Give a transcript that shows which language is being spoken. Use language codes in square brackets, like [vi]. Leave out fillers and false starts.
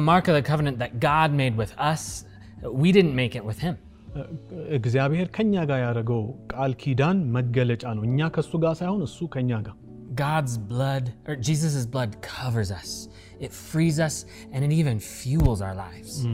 [en] mark of the covenant that God made with us. We didn't make it with him. [am] እግዚአብሔር ከኛ ጋር ያደረገው ቃል ኪዳን መገለጫ ነው እኛ ከሱ ጋር ሳይሆን እሱ ከኛ ጋር [en] God's blood, or Jesus' blood, covers us. It frees us, and it even fuels our lives.